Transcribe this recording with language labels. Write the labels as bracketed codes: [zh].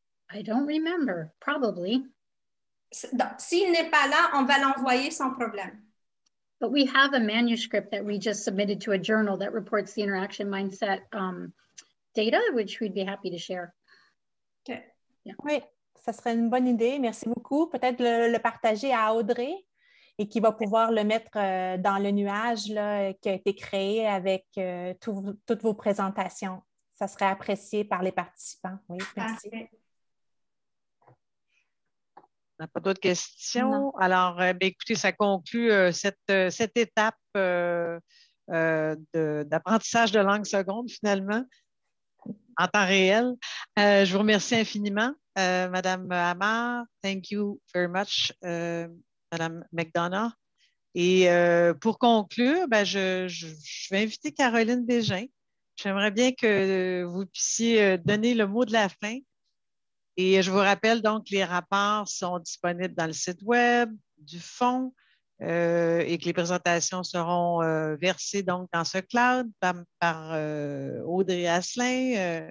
[en] I don't remember, probably. [fr] S'il n'est pas là, on va l'envoyer sans problème. [en] But we have a manuscript that we just submitted to a journal that reports the interaction mindset data, which we'd be happy to share. Okay. Yeah. [fr] Oui, ça serait une bonne idée. Merci beaucoup. Peut-être le partager à Audrey et qui va pouvoir le mettre dans le nuage là, qui a été créé avec toutes vos présentations. Ça serait apprécié par les participants. Oui, merci. Okay. On n'a pas d'autres questions. Non. Alors, écoutez, ça conclut cette étape d'apprentissage de langue seconde, finalement, en temps réel. Je vous remercie infiniment, Madame Amar. [en] Thank you very much, Madame McDonough. [fr] Et pour conclure, ben, je vais inviter Caroline Bégin. J'aimerais bien que vous puissiez donner le mot de la fin. Et je vous rappelle donc que les rapports sont disponibles dans le site web du fond et que les présentations seront versées donc dans ce cloud par Audrey Asselin.